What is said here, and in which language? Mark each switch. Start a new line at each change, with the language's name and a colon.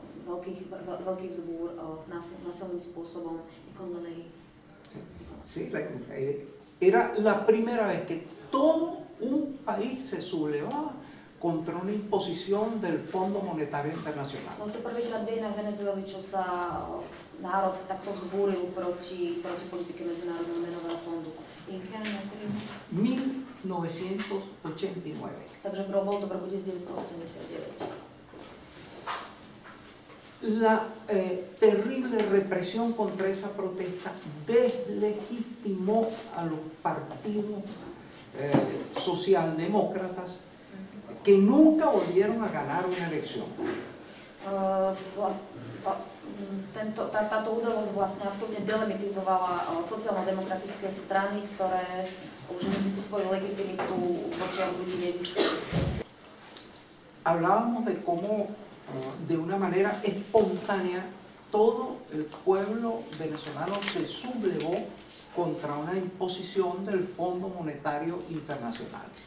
Slovak: Veľkých zbúr násilným spôsobom vykonanej.
Spanish: Sí, era la primera vez que todo un país se sublevaba contra una imposición del Fondo Monetario Internacional.
Slovak: Bol to prvýkrát na Venezueli, čo sa národ takto vzbúril proti politike Medzinárodného menového fondu. Inke, nejaký? 1989. Takže bol to v roku 1989.
Spanish: La terrible represión contra esa protesta deslegitimó a los partidos socialdemócratas que nunca volvieron a ganar una elección.
Slovak: Táto udalosť vlastne absolútne delimitizovala sociálno-demokratické strany, ktoré už nikdy svoju legitimitu voči ľudí nezískali.
Spanish: Hablábamos de cómo de una manera espontánea, todo el pueblo venezolano se sublevó contra una imposición del Fondo Monetario Internacional.